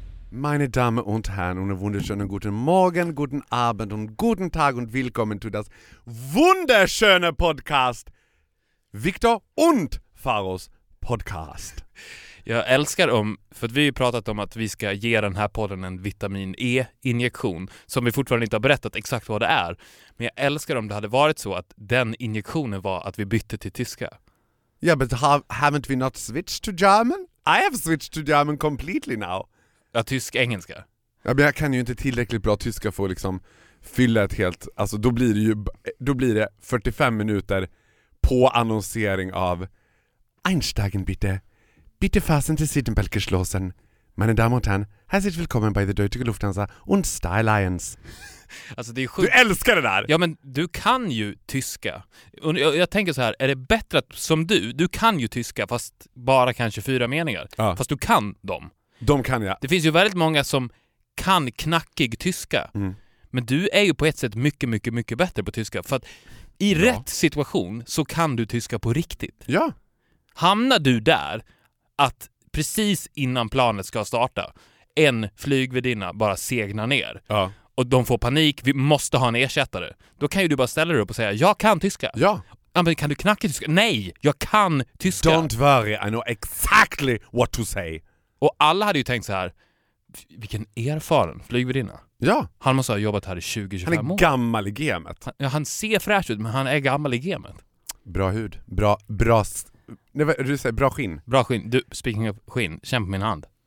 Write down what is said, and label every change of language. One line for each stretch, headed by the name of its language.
German: Meine Damen und Herren, und einen wunderschönen guten Morgen, guten Abend und guten Tag und willkommen zu das wunderschöne Podcast Victor und Faros Podcast.
Swedish: Jag älskar om, för att vi har pratat om att vi ska ge den här podden en vitamin E-injektion som vi fortfarande inte har berättat exakt vad det är. Men jag älskar om det hade varit så att den injektionen var att vi bytte till tyska.
English: Ja, yeah, but haven't we not switched to German? I have switched to German completely now.
Swedish: Ja, tysk-engelska. Ja, men jag kan ju inte tillräckligt bra tyska för att liksom fylla ett helt... Alltså, då blir det 45 minuter på annonsering av
German: Einsteigen bitte. Bitte fassen till Sittenbelt geschlossen. Meine Damen und Herren, herzlich willkommen bei der Deutsche Lufthansa und Star Alliance.
Swedish: Alltså, det är du älskar det där! Ja, men du kan ju tyska. Och jag tänker så här, är det bättre att som du kan ju tyska fast bara kanske 4 meningar. Ja. Fast du kan dem. De kan jag. Det finns ju väldigt många som kan knackig tyska. Mm. Men du är ju på ett sätt mycket, mycket, mycket bättre på tyska. För att i rätt situation så kan du tyska på riktigt. Ja. Hamnar du där att precis innan planet ska starta en flygvärdinna bara segnar ner. Ja. Och de får panik, vi måste ha en ersättare. Då kan ju du bara ställa dig upp och säga, jag kan tyska. Ja. Ja, men kan du knacka tyska? Nej, jag kan tyska.
English: Don't worry, I know exactly what to say.
Swedish: Och alla hade ju tänkt så här, vilken erfaren flygvärdinna. Ja. Han måste ha jobbat här i 20-25 år. Han är gammal i gamet. Han ser fräsch ut, men han är gammal i gamet. Bra hud, bra Nej, du säger bra skinn. Bra skinn. Du,
English: speaking of
Swedish: skinn, känn på min hand.